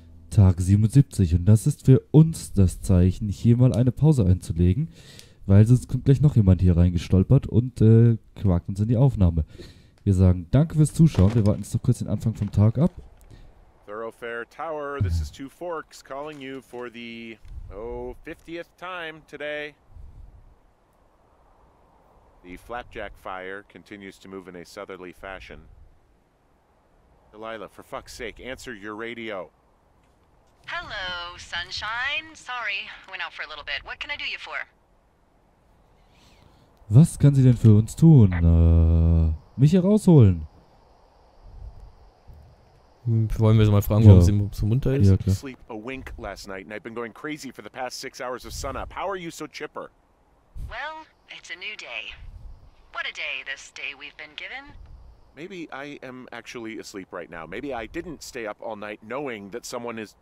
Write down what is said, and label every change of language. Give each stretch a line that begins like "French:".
German: Tag 77 und das ist für uns das Zeichen, hier mal eine Pause einzulegen, weil sonst kommt gleich noch jemand hier reingestolpert und quakt uns in die Aufnahme. Wir sagen danke fürs Zuschauen, wir warten jetzt noch kurz den Anfang vom Tag ab.
English: Thoroughfare Tower, this is Two Forks calling you for the 50th time today. The Flapjack Fire continues to move in a southerly fashion. Delilah, for fuck's sake, answer your radio. Hello, Sunshine. Sorry, went out for a little bit. What can I do you for?
German: Was kann sie denn für uns tun? Mich hier rausholen. Wollen wir sie mal fragen, warum sie so munter ist? Ja, klar.
English: Sleep a wink last night and I've been going crazy for the past 6 hours of sun up. How are you so chipper? Well, it's a new day. What a day, this day we've been given. Maybe I am actually asleep right now. Maybe I didn't stay up all night knowing that someone is...